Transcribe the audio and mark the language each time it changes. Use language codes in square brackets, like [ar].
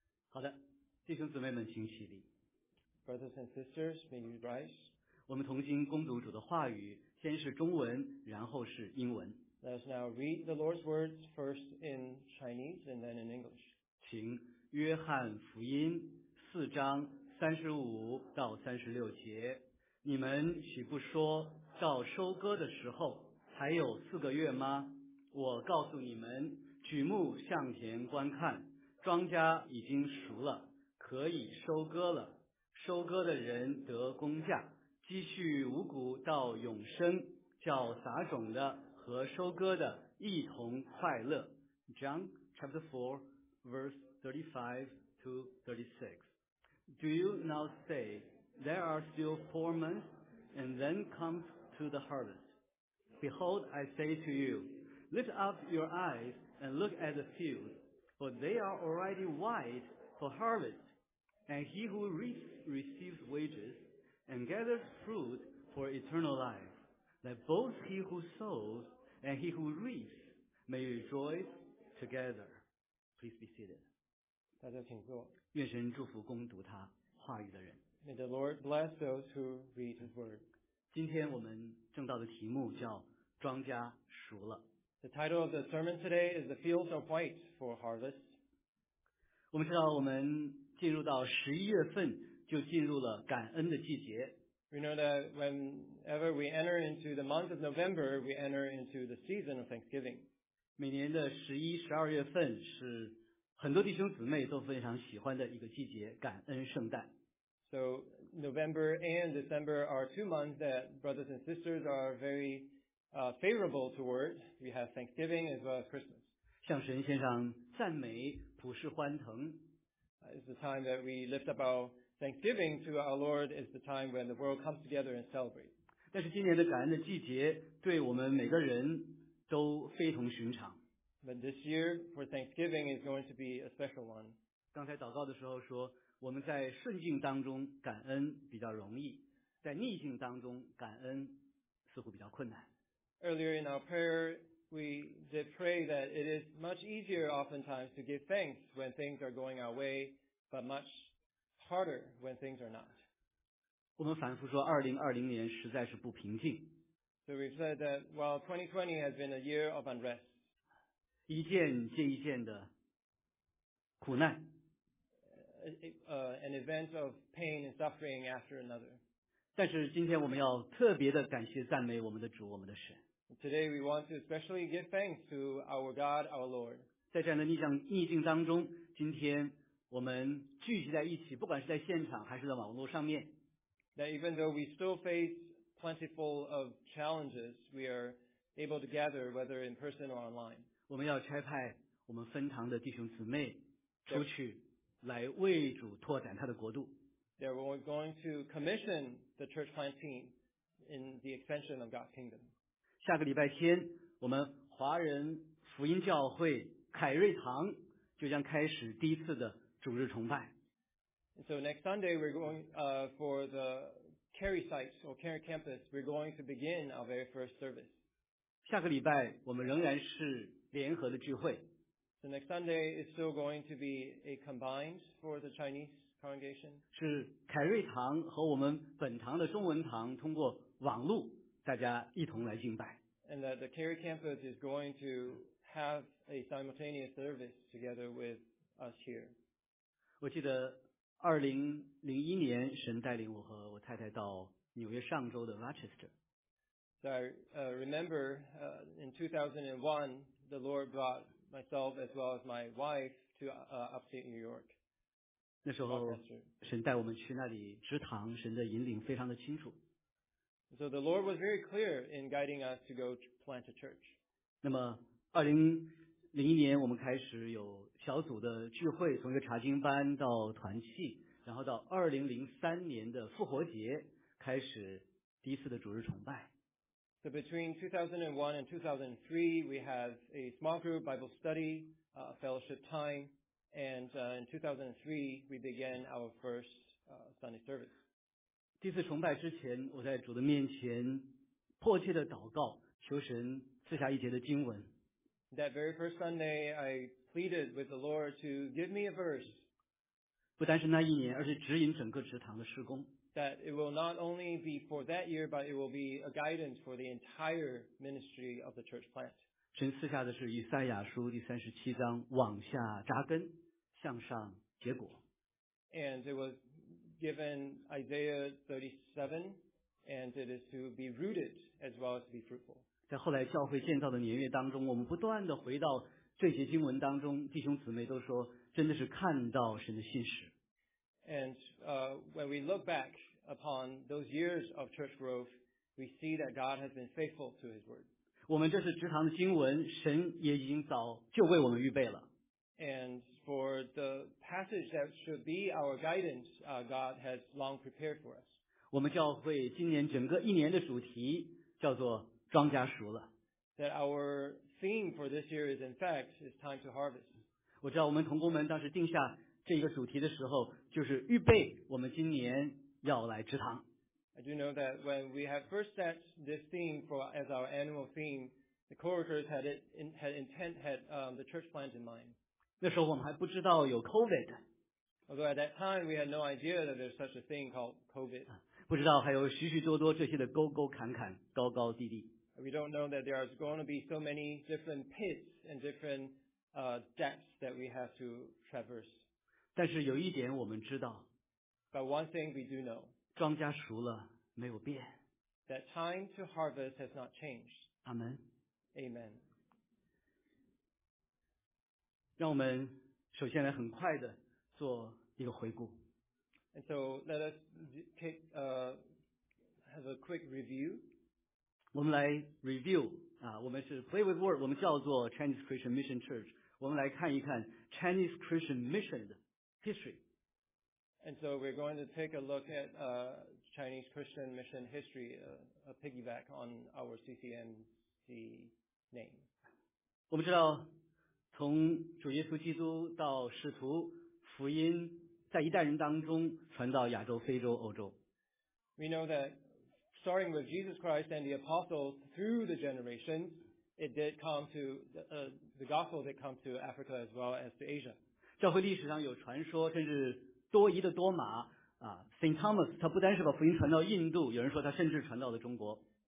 [zh] 好的，弟兄姊妹们，请起立。 [en] Brothers and sisters, may you rise. [zh] 我们同心恭读主的话语，先是中文，然后是英文。 [en] Let us now read the Lord's words first in Chinese and then in English. [zh] 请约翰福音四章三十五到三十六节，你们岂不说到收割的时候还有四个月吗？我告诉你们，举目向田观看。庄稼已经熟了，可以收割了。收割的人得工价，积蓄五谷到永生，叫撒种的和收割的一同快乐。 [en] John chapter 4, verse 35 to 36. Do you now say, there are still 4 months, and then comes to the harvest? Behold, I say to you, lift up your eyes and look at the fields. For they are already white for harvest, and he who reaps receives wages, and gathers fruit for eternal life, that both he who sows and he who reaps may rejoice together. Please be seated. [zh] 大家请坐。愿神祝福攻读他话语的人。 [en] May the Lord bless those who read his word. [zh] 今天我们正道的题目叫庄稼熟了。 [en] The title of the sermon today is The Fields are White for Harvest. [zh] 我们知道我们进入到十一月份就进入了感恩的季节。 [en] We know that whenever we enter into the month of November, we enter into the season of Thanksgiving. [zh] 每年的十一、十二月份是很多弟兄姊妹都非常喜欢的一个季节，感恩圣诞。 [en] So November and December are 2 months that brothers and sisters are very favorable toward. We have Thanksgiving as well as Christmas. [zh] 向神献上赞美，普世欢腾。 [en] It's the time that we lift up our Thanksgiving to our Lord. It's the time when the world comes together and celebrate. [zh] 但是今年的感恩的季节对我们每个人都非同寻常。 [en] But this year for Thanksgiving is going to be a special one. [zh] 刚才祷告的时候说，我们在顺境当中感恩比较容易，在逆境当中感恩似乎比较困难。 [en] Earlier in our prayer, we did pray that it is much easier oftentimes to give thanks when things are going our way, but much harder when things are not. [zh] 我们反复说2020年实在是不平静。 [en] So we said that while 2020 has been a year of unrest, [zh] 一件接一件的苦难。 [en] An event of pain and suffering after another. [zh] 但是今天我们要特别的感谢赞美我们的主我们的神。 [en] Today we want to especially give thanks to our God, our Lord. [zh] 在这样的逆境当中，今天我们聚集在一起，不管是在现场还是在网络上面。 [en] That even though we still face plentiful of challenges, we are able to gather whether in person or online. [zh] 我们要差派我们分堂的弟兄姊妹出去。来为主拓展他的国度。 [en] They were going to commission the church plant team in the expansion of God's kingdom. [zh] 下个礼拜天，我们华人福音教会凯瑞堂就将开始第一次的主日崇拜。 [en] So next Sunday we're going for the Carey site or Carey campus. We're going to begin our very first service. [zh] 下个礼拜我们仍然是联合的聚会。 [en] So next Sunday is still going to be a combined for the Chinese congregation. [zh] 是凯瑞堂和我们本堂的中文堂通过网路大家一同来敬拜。 [en] And that the Carey campus is going to have a simultaneous service together with us here. [zh] 我记得2001年神带领我和我太太到纽约上州的 Rochester. [en] So I remember in 2001 the Lord brought myself as well as my wife to upstate New York. [zh] 那时候神带我们去那里职堂，神的引领非常的清楚。 [en] So the Lord was very clear in guiding us to go plant a church. [zh] 那么2001年我们开始有小组的聚会，从一个查经班到团契，然后到2003年的复活节开始第一次的主日崇拜。 [en] So between 2001 and 2003, we have a small group Bible study, fellowship time, and in 2003, we began our first Sunday service. [zh] 第一次崇拜之前，我在主的面前迫切的祷告，求神赐下一节的经文。 [en] That very first Sunday, I pleaded with the Lord to give me a verse. [zh] 不单是那一年，而是指引整个职堂的事工。 [en] That it will not only be for that year, but it will be a guidance for the entire ministry of the church plant. [zh] 神赐下的是以赛亚书第37章，往下扎根，向上结果。 [en] And it was given Isaiah 37, and it is to be rooted as well as to be fruitful. [zh] 在后来教会建造的年月当中，我们不断地回到这些经文当中，弟兄姊妹都说，真的是看到神的信实。 [en] And when we look back upon those years of church growth, we see that God has been faithful to His word. [zh] 我们这是职堂的经文，神也已经早就为我们预备了。 [en] And for the passage that should be our guidance, God has long prepared for us. [zh] 我们教会今年整个一年的主题叫做庄稼熟了。 [en] That our theme for this year is, in fact, is time to harvest. [zh] 我知道我们同工们当时定下这一个主题的时候，就是预备我们今年要来职堂。 [en] I do know that when we had first set this theme for as our annual theme, the coworkers had it in, had intent had the church plant in mind. [zh] 那时候我们还不知道有 COVID. [en] Although at that time we had no idea that there's such a thing called COVID. [zh] 不知道还有许许多多这些的沟沟坎坎、高高低低。 [en] We don't know that there are going to be so many different pits and different depths that we have to traverse. [zh] 但是有一点我们知道， [en] But one thing we do know, [zh] 庄稼熟了没有变。 [en] That time to harvest has not changed. Amen. Amen. [zh] 让我们首先来很快的做一个回顾。 [en] And so let us take have a quick review. [zh] 我们来 review 啊，我们是 [en] play with word， [zh] 我们叫做 Chinese Christian Mission Church。我们来看一看 Chinese Christian Mission 的。History. [en] And so we're going to take a look at Chinese Christian Mission history, a piggyback on our CCMC name. [zh] 我们知道从主耶稣基督到使徒福音在一代人当中传到亚洲非洲欧洲。 [en] We know that starting with Jesus Christ and the apostles through the generations, it did come to the gospel did come to Africa as well as to Asia. [zh] 教会历史上有传说，甚至多疑的多马啊 ，Saint Thomas， 他不单是把福音传到印度，有人说他甚至传到了中国。